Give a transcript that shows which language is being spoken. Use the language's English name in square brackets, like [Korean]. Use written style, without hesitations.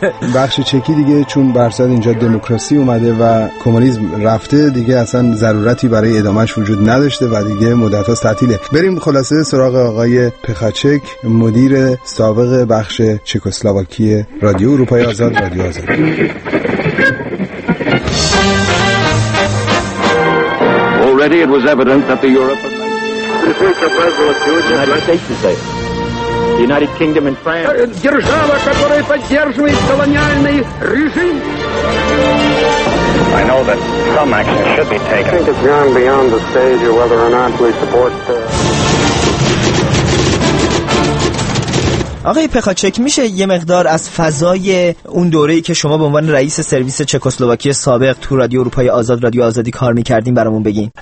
[Persian] آره، بخش چکی دیگه چون برسد اینجا دموکراسی اومده و کمونیسم رفته دیگه اصلا ضرورتی برای ادامهش وجود نداشته و دیگه مدت‌هاست تعطیله. بریم خلاصه سراغ آقای پخاچک، مدیر سابق بخش چکسلواکی رادیو اروپای آزاد رادیو آزاد. [English] Already it was evident that the Europe United Kingdom and France. [Russian] Держава, которая поддерживает колониальный режим. [English] I know that some action should be taken. I think it's gone beyond the stage of whether or not we support the... [Persian] آقای پخاچک، میشه یه مقدار از فضای اون دوره‌ای که شما به عنوان رئیس سرویس چکسلواکی سابق تو رادیو اروپای آزاد رادیو آزادی کار می‌کردین برامون بگین؟